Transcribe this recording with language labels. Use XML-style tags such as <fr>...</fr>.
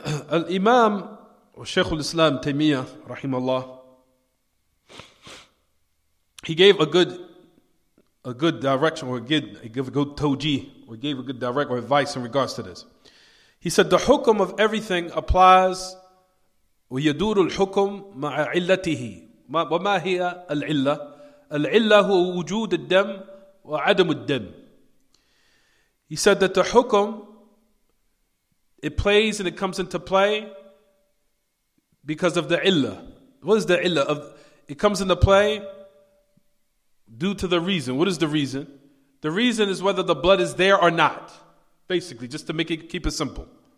<en>Al-Imam, or Shaykh al-Islam, Taymiyyah, rahimahullah, He gave a good direction, or gave a good advice in regards to this. He said, the hukum of everything applies,</en> <ar>وَيَدُورُ الْحُكُمْ مَعَ عِلَّتِهِ وَمَا هِيَ الْعِلَّةِ الْعِلَّةِ هُوَ وُجُودُ الدَّمْ وَعَدَمُ الدَّمْ.</ar> <en>He said that the hukum, it plays and it comes into play because of the illah. What is the illah? It comes into play due to the reason. What is the reason? The reason is whether the blood is there or not. Basically, just to make it, keep it simple.</en>